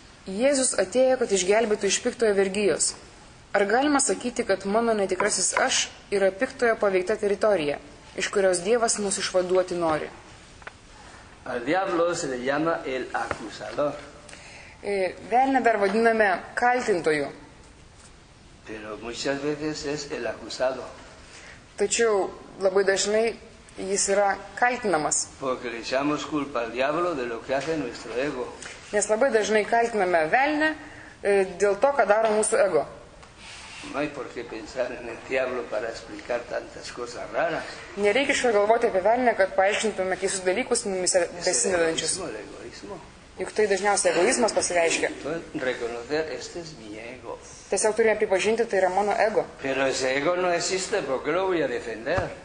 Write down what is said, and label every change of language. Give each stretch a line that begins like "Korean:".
Lithuanian: Jėzus atėjo, kad išgelbėtų iš piktojo vergijos. Ar galima sakyti, kad mano netikrasis aš yra piktojo paveikta teritorija, iš kurios Dievas mus išvaduoti nori?
Spanish: Al diablo se le llama el acusador.
Lithuanian: Velnia dar vadiname kaltintoju.
Spanish: Pero muchas veces es el acusado.
Lithuanian: Tačiau labai dažnai jis yra kaltinamas.
Spanish: Porque le echamos culpa al diablo de lo que hace nuestro ego.
Lithuanian: Nes labai dažnai kaltiname velnia dėl to, ką daro mūsų ego.
Spanish: No hay por qué pensar en el diablo para explicar tantas cosas raras.
Lithuanian: Nereikia šio galvoti apie velnia, kad paaiškintume keistus dalykus mumis besinedančius.
Spanish: Es el egoísmo.
Lithuanian: Juk tai dažniausiai egoizmas pasireiškia.
Spanish: Reconocer, este es mi ego.
Lithuanian: Tiesiog turime pripažinti, tai yra mano ego.
Spanish: Pero ese ego no existe, porque lo voy a defender.